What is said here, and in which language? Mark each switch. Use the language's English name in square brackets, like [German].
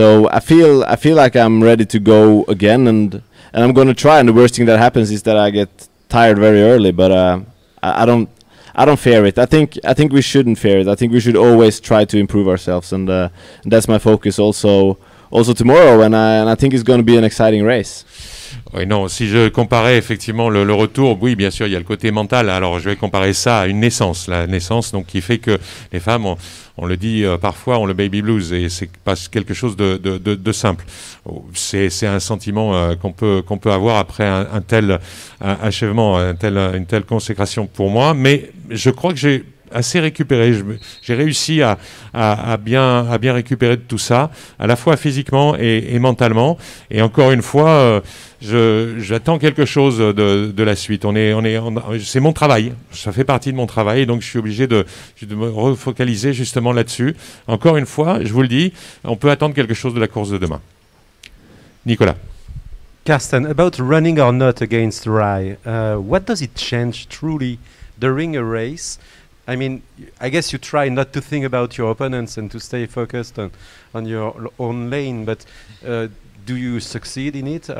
[English] So I feel like I'm ready to go again, and I'm going to try. And the worst thing that happens is that I get tired very early, but I don't fear it. I think we shouldn't fear it. I think we should always try to improve ourselves, and that's my focus also tomorrow. And I think it's going to be an exciting race. [French] Oui, non, si je comparais effectivement le retour, oui, bien sûr, il y a le côté mental. Alors, je vais comparer ça à une naissance, la naissance, donc, qui fait que les femmes, on le dit parfois, ont le baby blues, et c'est pas quelque chose de simple. C'est un sentiment qu'on peut avoir après un tel achèvement, une telle consécration pour moi, mais je crois que j'ai assez récupéré. J'ai réussi à bien récupérer de tout ça, à la fois physiquement et mentalement. Et encore une fois, j'attends quelque chose de la suite. C'est mon travail. Ça fait partie de mon travail. Donc, je suis obligé de me refocaliser justement là-dessus. Encore une fois, je vous le dis, on peut attendre quelque chose de la course de demain. Nicolas. [English] Karsten, about running or not against Rye, what does it change truly during a race? I mean, I guess you try not to think about your opponents and to stay focused on your own lane, but do you succeed in it?